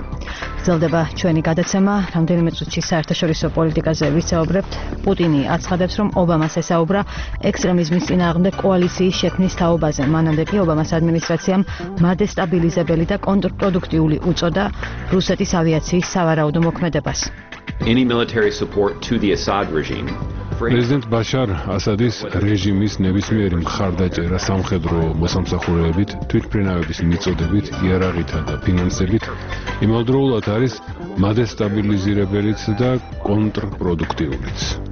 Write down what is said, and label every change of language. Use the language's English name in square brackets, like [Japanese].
[Georgian] გრძელდება ჩვენი გადაცემა. რამდენიმე წუთში საერთაშორისო პოლიტიკაზე ვისაუბრებთ. პუტინი აცხადებს, რომ ობამას ესაუბრა ექსტრემიზმის წინააღმდეგ კოალიციის შექმნის თაობაზე. მანამდე კი ობამას ადმინისტრაციამ მადესტაბილიზებელი და კონტრპროდუქტიული უწოდა რუსეთის ავიაციის სავარაუდო მოქმედებას. [English] Any military support to the Assad regime. [Georgian] პრეზიდენტ ბაშარ ასადის რეჟიმის ნებისმიერი მხარდაჭერა სამხედრო მოსამსახურეებით, თვითმფრინავების მიწოდებით, იარაღითა და ფინანსებით იმავდროულად არის მადესტაბილიზირებელიც და კონტრპროდუქტიულიც.